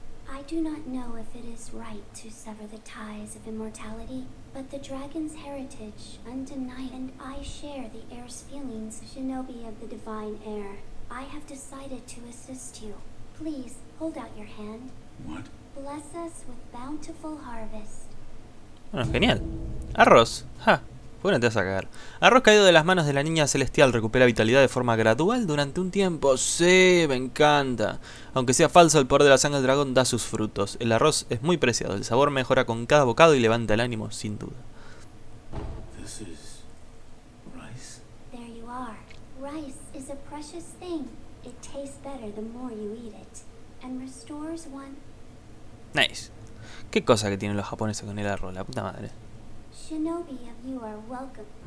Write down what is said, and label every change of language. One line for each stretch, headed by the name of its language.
English: I do not know if it is right to sever the ties of immortality, but the dragon's heritage undeniable, and I share the heir's feelings, shinobi of the divine heir. I have decided to assist you. Please, hold out your hand. What? Bless us with bountiful harvest.
Spanish: Bueno, genial. Arroz. Ja, fúrate a sacar. Arroz caído de las manos de la niña celestial recupera vitalidad de forma gradual durante un tiempo. Sí, me encanta. Aunque sea falso, el poder de la sangre del dragón da sus frutos. El arroz es muy preciado. El sabor mejora con cada bocado y levanta el ánimo, sin duda.
English: This is rice. There you are. Rice is a precious thing. It tastes better the more you eat it, and restores one. Nice.
Spanish: ¿Qué cosa que tienen los japoneses con el arroz, la puta madre?
English: Shinobi of you are welcome.